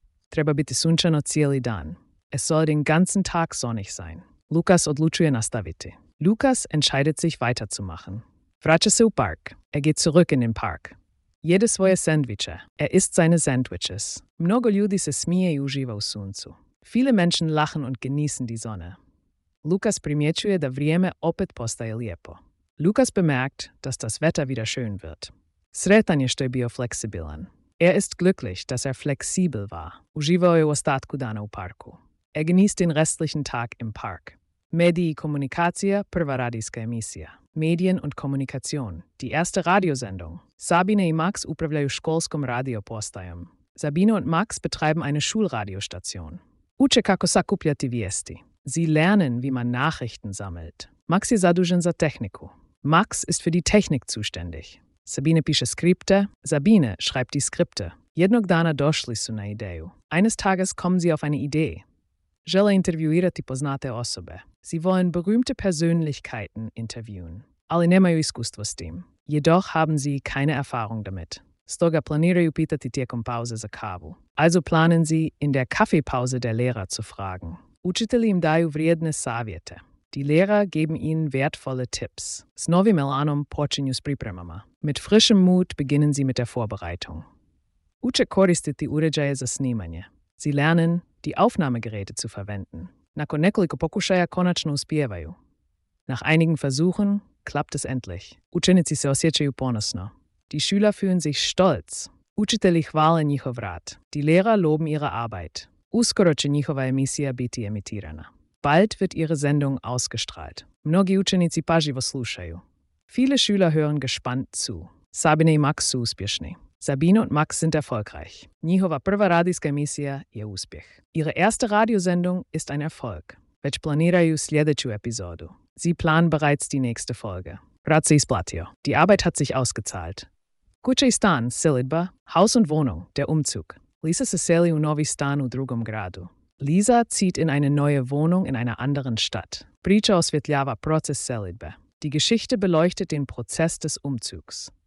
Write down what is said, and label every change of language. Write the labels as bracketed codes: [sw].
[hr] Treba biti sunčano cijeli dan. [de] Es soll den ganzen Tag sonnig sein. [hr] Lukas odlučuje nastaviti. [de] Lukas entscheidet sich weiterzumachen. [hr] Vraća se u park. [de] Er geht zurück in den Park. [hr] Jede svoje sandviče. [de] Er isst seine Sandwiches. [hr] Mnogo ljudi se smije i uživa u suncu. [de] Viele Menschen lachen und genießen die Sonne. [hr] Lukas primjećuje da vrijeme opet postaje lijepo. [de] Lukas bemerkt, dass das Wetter wieder schön wird. [hr] Sretan je što je bio fleksibilan. [de] Er ist glücklich, dass er flexibel war. [hr] Uživao je u ostatku dana u parku. [de] Er genießt den restlichen Tag im Park. [hr] Mediji komunikacija, prva radijska emisija. [de] Medien und Kommunikation, die erste Radiosendung. [hr] Sabine i Max upravljaju školskom radiopostajom. [de] Sabine und Max betreiben eine Schulradiostation. [hr] Uče kako sakupljati vijesti. [de] Sie lernen, wie man Nachrichten sammelt. [hr] Max je zadužen za tehniku. [de] Max ist für die Technik zuständig. [hr] Sabine piše skripte. [de] Sabine schreibt die Skripte. [hr] Jednog dana došli su na ideju. [de] Eines Tages kommen sie auf eine Idee. [hr] Žele intervjuirati poznate osobe. [de] Sie wollen berühmte Persönlichkeiten interviewen. [hr] Ali nemaju iskustvo s tim. [de] Jedoch haben sie keine Erfahrung damit. [hr] Stoga planiraju pitati tijekom pauze za kavu. [de] Also planen sie, in der Kaffeepause der Lehrer zu fragen. [hr] Učitelji im daju vrijedne savjete. [de] Die Lehrer geben ihnen wertvolle Tipps. [hr] S novim elanom počinju s pripremama. [de] Mit frischem Mut beginnen sie mit der Vorbereitung. [hr] Uče koristiti uređaje za snimanje. [de] Sie lernen, die Aufnahmegeräte zu verwenden. [hr] Nakon nekoliko pokušaja konačno uspijevaju. [de] Nach einigen Versuchen klappt es endlich. [hr] Učenici se osjećaju ponosno. [de] Die Schüler fühlen sich stolz. [hr] Učitelji hvale njihov rad. [de] Die Lehrer loben ihre Arbeit. [hr] Uskoro će njihova emisija biti emitirana. [de] Bald wird ihre Sendung ausgestrahlt. [hr] Mnogi učenici pažljivo slušaju. [de] Viele Schüler hören gespannt zu. [hr] Sabine i Max su uspješni. [de] Sabine und Max sind erfolgreich. [hr] Njihova prva radijska emisija je uspjeh. [de] Ihre erste Radiosendung ist ein Erfolg. [hr] Već planiraju sljedeću epizodu. [de] Sie planen bereits die nächste Folge. [hr] Rad se isplatio. [de] Die Arbeit hat sich ausgezahlt. [hr] Kuća i stan, selidba. [de] Haus und Wohnung, der Umzug. [hr] Lisa se seli u novi stan u drugom gradu. [de] Lisa zieht in eine neue Wohnung in einer anderen Stadt. [hr] Priča osvjetljava proces selidbe. [de] Die Geschichte beleuchtet den Prozess des Umzugs.